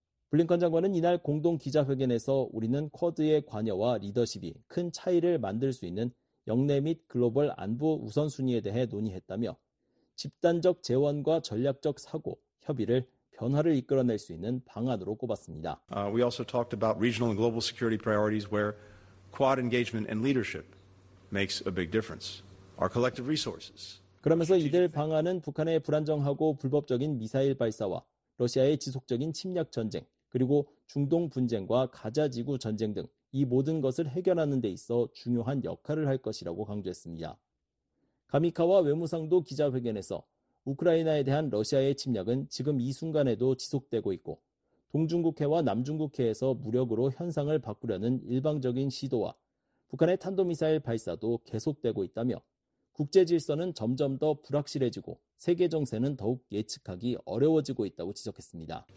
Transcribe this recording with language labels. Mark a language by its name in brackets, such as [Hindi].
[Korean] 블링컨 장관은 이날 공동 기자회견에서 우리는 쿼드의 관여와 리더십이 큰 차이를 만들 수 있는 역내 및 글로벌 안보 우선순위에 대해 논의했다며 집단적 재원과 전략적 사고, 협의를 변화를 이끌어낼 수 있는 방안으로 꼽았습니다. [English] We also talked about regional and global security priorities where quad engagement and leadership makes a big difference. Our collective resources. [Korean] 그러면서 이들 방안은 북한의 불안정하고 불법적인 미사일 발사와 러시아의 지속적인 침략 전쟁, 그리고 중동 분쟁과 가자지구 전쟁 등 이 모든 것을 해결하는 데 있어 중요한 역할을 할 것이라고 강조했습니다. 가미카와 외무상도 기자회견에서 우크라이나에 대한 러시아의 침략은 지금 이 순간에도 지속되고 있고 동중국해와 남중국해에서 무력으로 현상을 바꾸려는 일방적인 시도와 북한의 탄도미사일 발사도 계속되고 있다며 국제 질서는 점점 더 불확실해지고 세계 정세는 더욱 예측하기 어려워지고 있다고 지적했습니다.